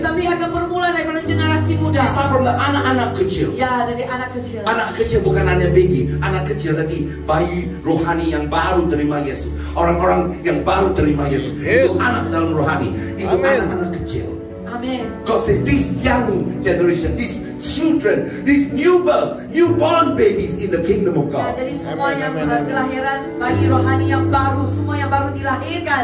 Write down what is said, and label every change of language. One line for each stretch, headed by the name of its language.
Indonesian: Tetapi akan bermula dari generasi muda.
English: It start from the
Indonesian: anak-anak kecil. Ya, dari anak kecil. Anak kecil bukan hanya baby. Anak kecil tadi bayi rohani yang baru terima Yesus. Orang-orang yang baru terima Yesus.
English: Yes.
Indonesian: Itu anak dalam rohani. Itu anak-anak kecil.
English: God says this young generation, these children, these new birth, newborn babies in the kingdom of God.
Indonesian: Jadi semua yang kelahiran bayi rohani yang baru, semua yang baru dilahirkan.